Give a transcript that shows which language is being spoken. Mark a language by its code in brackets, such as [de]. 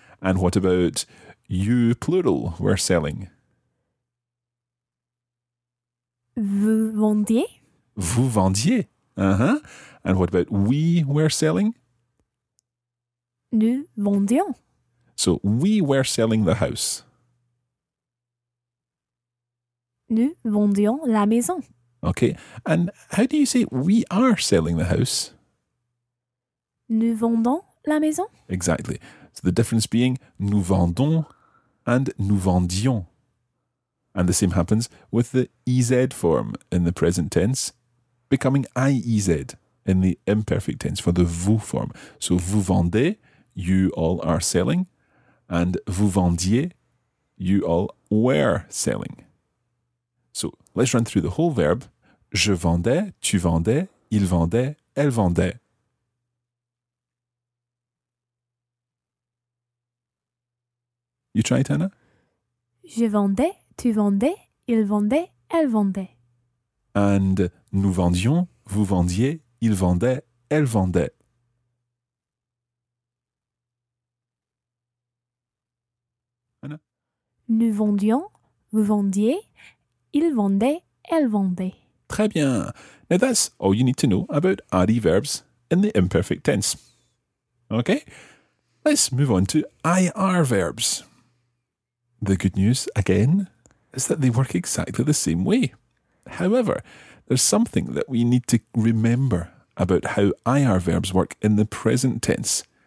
[en] And what about you, plural, were selling? [fr] Vous vendiez. Vous vendiez. Uh-huh. [en] And what about we were selling? [fr] Nous vendions. [en] So, we were selling the house. [fr] Nous vendions la maison. [en] Okay. And how do you say we are selling the house? [fr] Nous vendons la maison. [en] Exactly. So the difference being [fr] nous vendons [en] and [fr] nous vendions. [en] And the same happens with the EZ form in the present tense, becoming IEZ in the imperfect tense for the vous form. So [fr] vous vendez, [en] you all are selling, and [fr] vous vendiez, [en] you all were selling. So let's run through the whole verb. [fr] Je vendais, tu vendais, il vendait, elle vendait. [en] You try it, Anna? [fr] Je vendais, tu vendais, il vendait, elle vendait. And nous vendions, vous vendiez, il vendait, elle vendait. [en] Anna? [fr] Nous vendions, vous vendiez, il vendait, elle vendait. Très bien. [en] Now that's all you need to know about RE verbs in the imperfect tense. Okay? Let's move on to IR verbs. The good news, again, is that they work exactly the same way. However, there's something that we need to remember about how IR verbs work in the present tense.